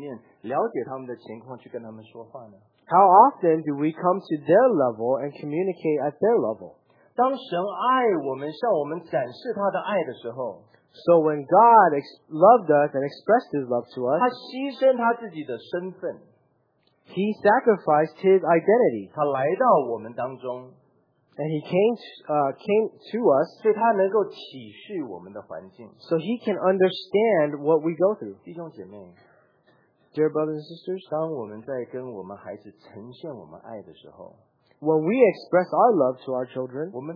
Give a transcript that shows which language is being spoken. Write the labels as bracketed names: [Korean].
[Chinese] 我们多少时候是走到孩子的层面，用跟孩子能够相同的层面，了解他们的情况，去跟他们说话呢？ [English] How often do we come to their level and communicate at their level? [Chinese] 当神爱我们，向我们展示他的爱的时候， [English] So when God loved us and expressed his love to us, [Chinese] 他牺牲他自己的身份， [English] He sacrificed his identity. [Chinese] 他来到我们当中， [English] And he came to us, [Chinese] 所以他能够体恤我们的环境， [English] So he can understand what we go through. [Chinese] 弟兄姐妹， [English] Dear brothers and sisters, [Chinese] 当我们在跟我们孩子呈现我们爱的时候， When we express our love to our children,